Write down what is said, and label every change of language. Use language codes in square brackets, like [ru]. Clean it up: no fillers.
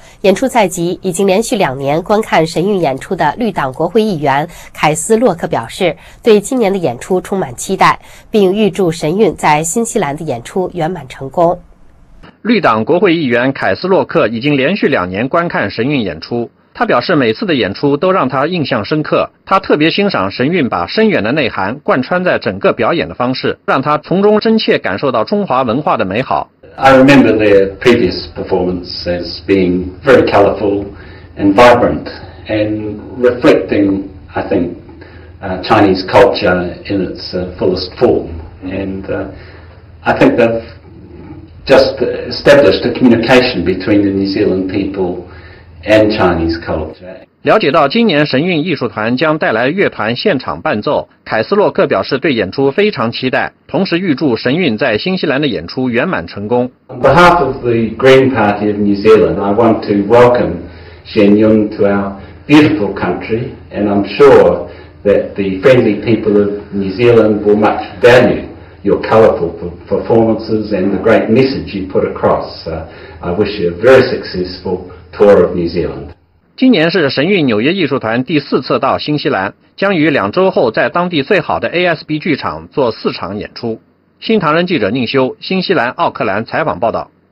[zh] 演出在即，已经连续两年观看神韵演出的绿党国会议员凯斯·洛克表示，对今年的演出充满期待，并预祝神韵在新西兰的演出圆满成功。绿党国会议员凯斯·洛克已经连续两年观看神韵演出，他表示每次的演出都让他印象深刻，他特别欣赏神韵把深远的内涵贯穿在整个表演的方式，让他从中真切感受到中华文化的美好。 [en] I remember their previous performance as being very colorful and vibrant and reflecting, I think, Chinese culture in its fullest form. And I think they've just established a communication between the New Zealand people and Chinese culture. [zh] 了解到今年神韵艺术团将带来乐团现场伴奏，凯斯洛克表示对演出非常期待，同时预祝神韵在新西兰的演出圆满成功。 [en] On behalf of the Green Party of New Zealand, I want to welcome Shen Yun to our beautiful country, and I'm sure that the friendly people of New Zealand will much value your colourful performances and the great message you put across. I wish you a very successful tour of New Zealand. [zh] 今年是神韵纽约艺术团第四次到新西兰，将于两周后在当地最好的 ASB 剧场做四场演出。新唐人记者宁修，新西兰奥克兰采访报道。